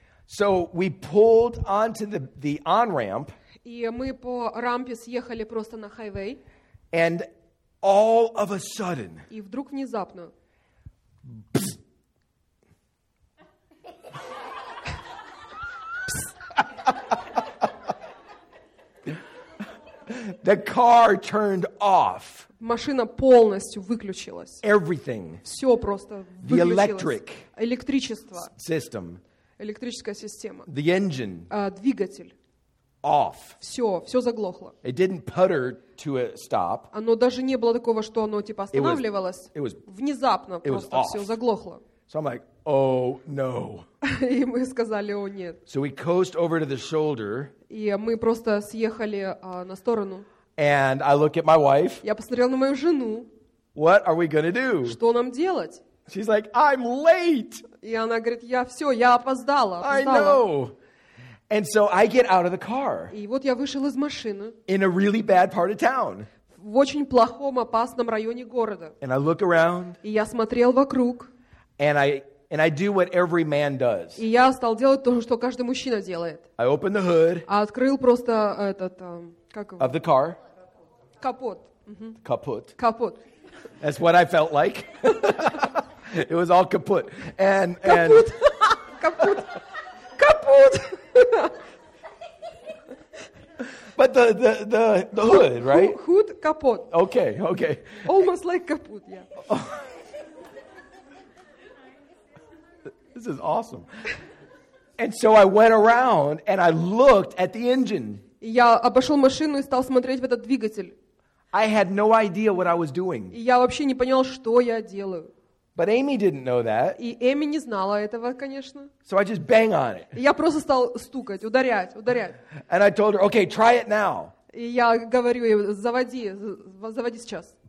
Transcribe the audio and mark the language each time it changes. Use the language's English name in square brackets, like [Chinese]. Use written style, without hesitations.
[English] So we pulled onto the on-ramp. [Russian] И мы по рампе съехали просто на хайвей. [English] And all of a sudden. [Russian] И вдруг внезапно. [English] The car turned off. [Russian] Машина полностью выключилась. [English] Everything. [Russian] Все просто выключилось. [English] The electric. [Russian] Электричество. [English] System. [Russian] Электрическая система. [English] The engine. [Russian] Двигатель. [English] Off. [Russian] Все заглохло. [English] It didn't putter to a stop. [Russian] Оно даже не было такого, что оно типа останавливалось. [English] It was [Russian] внезапно просто все заглохло. [English] So I'm like, oh no. [Russian] И мы сказали, о нет. [English] So we coast over to the shoulder. [Russian] И мы просто съехали на сторону. [English] And I look at my wife. [Russian] Я посмотрел на мою жену. [English] What are we gonna do? [Russian] Что нам делать? [English] She's like, I'm late. [Russian] И она говорит, я все, я опоздала. [English] I know. And so I get out of the car. [Russian] И вот я вышел из машины. [English] In a really bad part of town. [Russian] В очень плохом, опасном районе города. [English] And I look around. [Russian] И я смотрел вокруг. [English] And I do what every man does. [Russian] И я стал делать то, что каждый мужчина делает. [English] I open the hood. [Russian] Открыл просто этот, как его? [English] Of the car. [Russian] Капот. Капот. Капот. [English] That's what I felt like. It was all капот. And [Russian] капот. Капот. Капот. [English] But the hood, right? Hood, капот. Okay, okay. Almost like капот, yeah. This is awesome. And so I went around and I looked at the engine. [Russian] Я обошел машину и стал смотреть в этот двигатель. [English] I had no idea what I was doing. [Russian] Я вообще не понял, что я делаю. [English] But Amy didn't know that. [Russian] И Эми не знала этого, конечно. [English] So I just bang on it. [Russian] Я просто стал стукать, ударять. [English] And I told her, "Okay, try it now." [Russian] И я говорю ей, заводи сейчас.